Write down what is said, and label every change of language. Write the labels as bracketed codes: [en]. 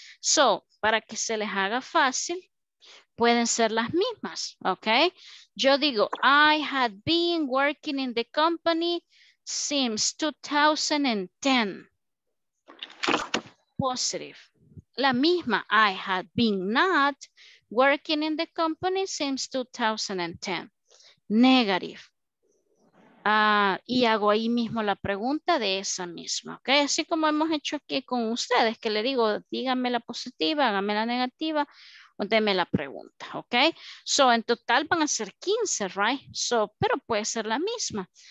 [es] So, para que se les haga fácil, pueden ser las mismas, okay? Yo digo, [en] I had been working in the company since 2010. Positive. [es] La misma, [en] I had been not working in the company since 2010. Negative. [es] Y hago ahí mismo la pregunta de esa misma, ¿ok? Así como hemos hecho aquí con ustedes, que le digo, dígame la positiva, hágame la negativa, o deme la pregunta, ¿ok? So, en total van a ser 15, right? So, pero puede ser la misma.